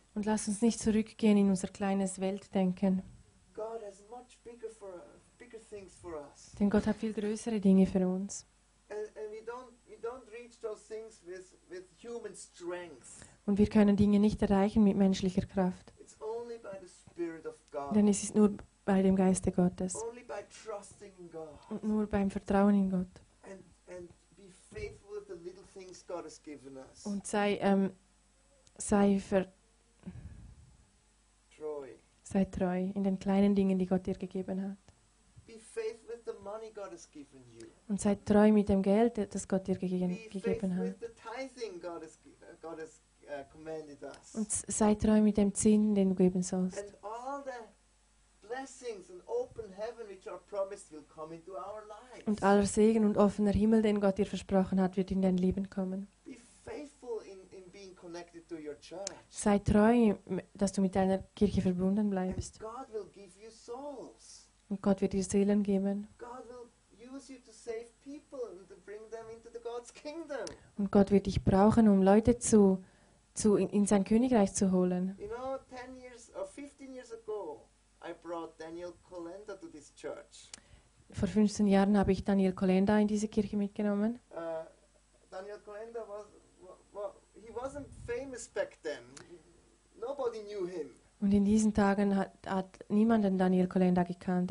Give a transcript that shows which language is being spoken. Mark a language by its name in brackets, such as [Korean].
[German] Und lass uns nicht zurückgehen in unser kleines Weltdenken. [English] God has much bigger things for us. [German] Denn Gott hat viel größere Dinge für uns. [English] And we don't reach those things with human strength. [German] Und wir können Dinge nicht erreichen mit menschlicher Kraft. [English] It's only by the Spirit of God. [German] Denn es ist nur bei dem Geiste Gottes. [English] Only by trusting in God. [German] Und nur beim Vertrauen in Gott. [English] And be faithful with the little things God has given us. [German] Und sei treu in den kleinen Dingen, die Gott dir gegeben hat. [English] Be faithful with the money God has given you. [German] Und sei treu mit dem Geld, das Gott dir gegeben hat. [English] Be faithful with the tithing God has given you. [German] Und sei treu mit dem Zehnten, den du geben sollst. [English] And all the blessings and open heaven which are promised will come into our lives. [German] Und aller Segen und offener Himmel, den Gott dir versprochen hat, wird in dein Leben kommen. [English] Be faithful in being connected to your church. [German] Sei treu, dass du mit deiner Kirche verbunden bleibst. [English] And God will give you souls. [German] Und Gott wird dir Seelen geben. [English] God will use you to save people and to bring them into the God's kingdom. [German] Und Gott wird dich brauchen, um Leute zu in sein Königreich zu holen. [English] You know, 10 years or 15 years ago, I brought Daniel Colenda to this church. [German] Vor 15 Jahren habe ich Daniel Colenda in diese Kirche mitgenommen. [English] Daniel Colenda he wasn't famous back then. Nobody knew him. [German] Und in diesen Tagen hat niemand den Daniel Colenda gekannt.